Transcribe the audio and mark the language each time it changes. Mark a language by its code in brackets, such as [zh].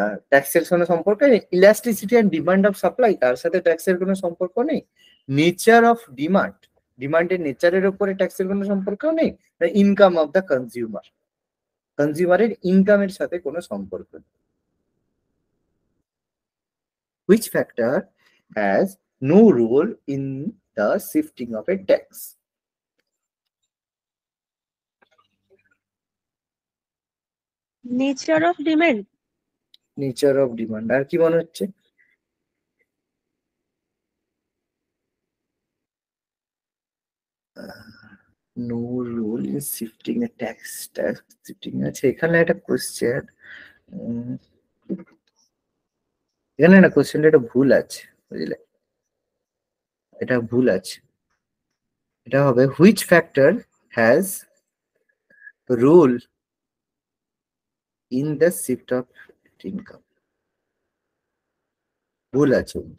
[bn] ট্যাক্সের কোনো সম্পর্ক নেই, [en] elasticity and demand of supply [bn] তার সাথে ট্যাক্সের কোনো সম্পর্ক নেই, [en] nature of demand, [bn] ডিমান্ডের নেচারের উপরে ট্যাক্সের কোনো সম্পর্ক নেই, [en] income of the consumer, [bn] কনজিউমারের ইনকামের সাথে কোনো সম্পর্ক নেই। [en] Which factor has no role in the shifting of a tax? Nature of demand. Nature of demand. [bn] আর কি মনে হচ্ছে? [en] No role in shifting a tax. Tax shifting. [bn] আচ্ছা এখানে একটা question. এখানে না কোশ্চেনটা একটা ভুল আছে, বুঝলে? এটা ভুল আছে, এটা হবে [en] which factor has role in the shift of income, [bn] ভুল আছে।